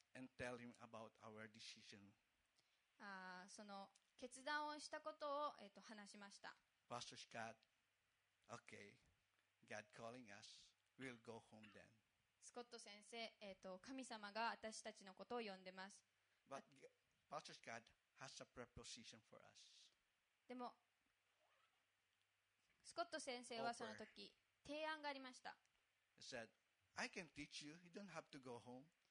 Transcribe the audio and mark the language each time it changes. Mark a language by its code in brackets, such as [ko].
[en] and tell him about our decision. [ja] その決断をしたことを、話しました。 [en] Pastor Scott, okay, God calling us, we'll go home then. [ja] スコット先生、神様が私たちのことを呼んでます。 [en] But Pastor Scott has a preposition for us. [ja] でも、スコット先生はその時、提案がありました。 [en] He said, I can teach you, you don't have to go home.